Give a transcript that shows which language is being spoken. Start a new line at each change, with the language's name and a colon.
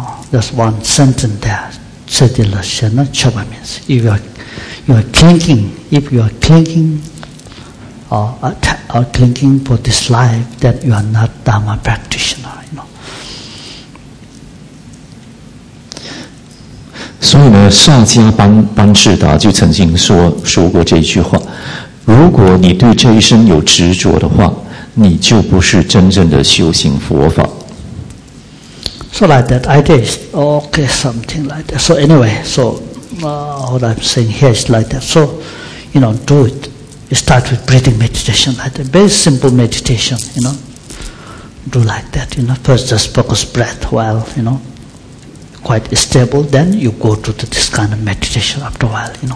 English: There's one sentence there.
Tibetan: Chedila Shena Chapa
English: means if you are clinging for this life, that you are not Dharma practitioner. You know.
Chinese: 所以呢，萨迦班智达就曾经说过这句话：如果你对这一生有执着的话，你就不是真正的修行佛法。
English: So like that idea is okay, something like that. So anyway, so what I'm saying here is like that. So, you know, do it you start with breathing meditation, like a very simple meditation, you know. Do like that, you know. First just focus breath while, you know, quite stable, then you go to this kind of meditation after a while, you know.